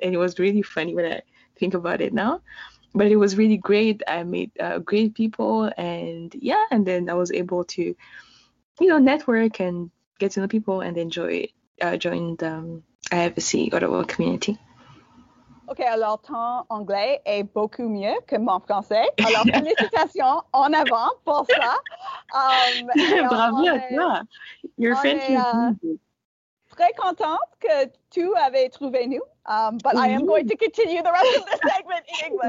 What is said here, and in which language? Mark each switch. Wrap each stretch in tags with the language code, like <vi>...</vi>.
<en>And it was really funny when I think about it now. But it was really great. I met great people. And and then I was able to, network and get to know people and enjoy join the IABC Ottawa community.</en> <fr>Okay, alors ton anglais est beaucoup mieux que mon français. Alors, félicitations en avant pour ça. Bravo à toi.</fr> <en>Your friend is</en> <fr>très contente que tu avais trouvé nous.</fr> <en>But I am going to continue the rest of the segment in English.</en>